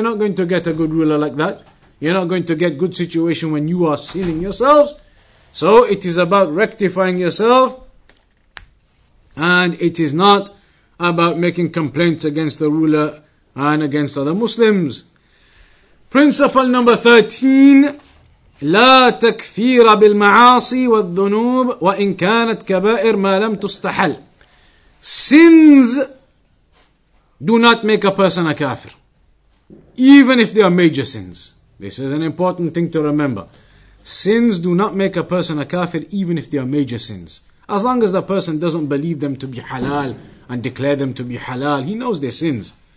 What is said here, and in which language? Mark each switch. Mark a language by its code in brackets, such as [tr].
[en] You're not going to get a good ruler like that. You're not going to get good situation when you are sinning yourselves. So it is about rectifying yourself, and it is not about making complaints against the ruler and against other Muslims. Principle number 13, [ar] لا تكفير بالمعاصي والذنوب وإن كانت كبائر ما لم تستحل. [en] Sins do not make a person a kafir, even if they are major sins. This is an important thing to remember. Sins do not make a person a kafir, even if they are major sins. As long as the person doesn't believe them to be halal and declare them to be halal, he knows their sins.